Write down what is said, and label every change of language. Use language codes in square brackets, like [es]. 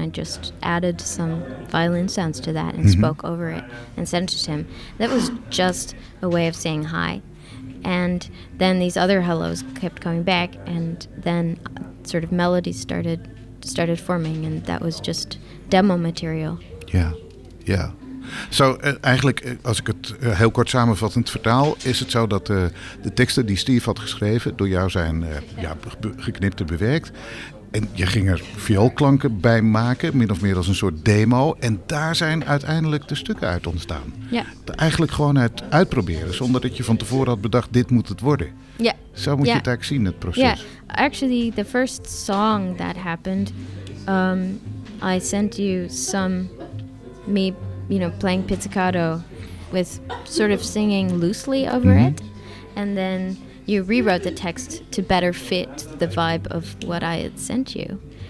[en] I just added some violin sounds to that and spoke over it and sent it to him. That was just a way of saying hi. And then these other hellos kept coming back, and then sort of melodies started forming, and that was just demo material. Yeah, yeah. [nl] So, eigenlijk, als ik het heel kort samenvattend vertaal, is het zo dat de teksten die Steve had geschreven door jou zijn geknipt en bewerkt. En je ging er vioolklanken bij maken, min of meer als een soort demo. En daar zijn uiteindelijk de stukken uit ontstaan. Ja. Eigenlijk gewoon uitproberen, zonder dat je van tevoren had bedacht, dit moet het worden. Ja. Zo moet je het eigenlijk zien, het proces. [en] Ja, actually, the first song that happened, I sent you some, me, you know, playing pizzicato, with sort of singing loosely over it. And then you rewrote the text to better fit the vibe of what I had sent you.